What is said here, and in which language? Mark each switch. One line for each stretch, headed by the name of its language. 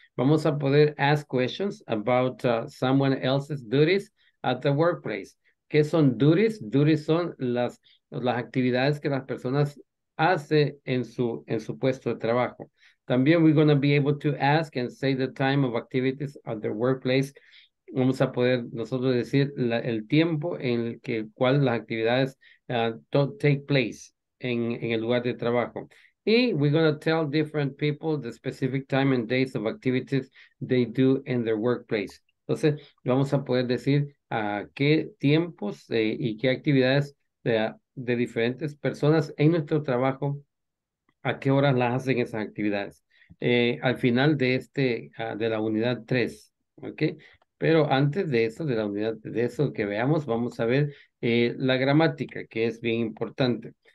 Spanish: Vamos a poder
English: ask questions about someone else's duties at the workplace.
Spanish: ¿Qué son duties? Duties son las actividades que las personas hacen en su puesto de trabajo.
English: También we're going to be able to ask and say the time of activities at the workplace.
Spanish: Vamos a poder nosotros decir el tiempo en el que cual las actividades
English: take place
Spanish: en el lugar de trabajo.
English: Y we're going to tell different people the specific time and dates of activities they do in their workplace.
Spanish: Entonces, vamos a poder decir a qué tiempos y qué actividades de diferentes personas en nuestro trabajo ¿A qué horas las hacen esas actividades? Al final de este, de la unidad 3, ¿ok? Pero antes de eso, de la unidad, de eso que veamos, vamos a ver la gramática, que es bien importante.